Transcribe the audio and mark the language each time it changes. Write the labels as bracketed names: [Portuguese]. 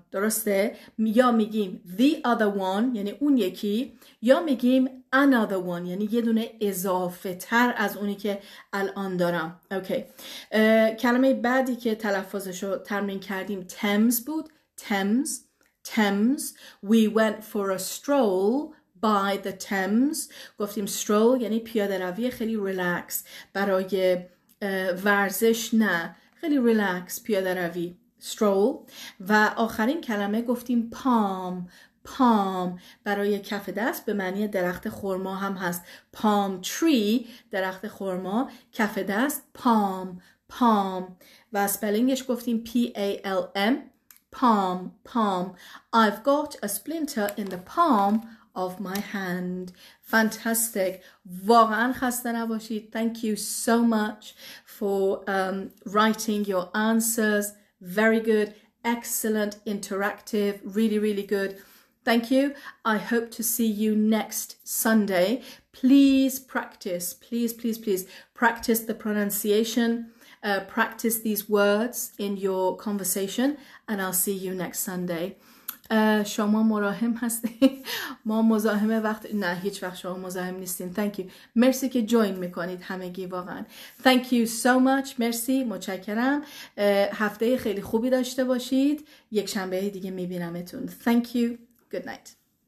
[Persian] درسته؟ یا میگیم [English] the other one [Persian] یعنی اون یکی یا میگیم [English] another one [Persian] یعنی یه دونه اضافه تر از اونی که الان دارم. اوکی. کلمه بعدی که تلفظشو ترمین کردیم Thames بود. [English] Thames. We went for a stroll by the Thames. [Persian] گفتیم stroll یعنی پیاده روی خیلی ریلکس. برای ورزش نه. خیلی ریلکس پیاده روی. Stroll. و آخرین کلمه گفتیم palm. Palm. برای کف دست به معنی درخت خرما هم هست. [English] Palm tree. [Persian] درخت خرما. کف دست. Palm. Palm. و spellingش گفتیم P-A-L-M. Palm. Palm. [English] I've got a splinter in the palm of my hand. Fantastic. [Persian] واقعا خسته نباشید. [English] Thank you so much for writing your answers. Very good. Excellent. Interactive. Really, really good. Thank you. I hope to see you next Sunday. Please practice. Please. Practice the pronunciation. Practice these words in your conversation. And I'll see you next Sunday. [Persian] شما مراهم هستید. ما مزاحم وقت نه هیچ وقت شما مزاحم نیستین. [English] Thank you. [Persian] مرسی که جوین میکنید همگی واقعا. [English] Thank you so much. [Persian] مرسی. متشکرم. هفته خیلی خوبی داشته باشید. یک شنبه دیگه میبینمتون. [English] Thank you. Good night.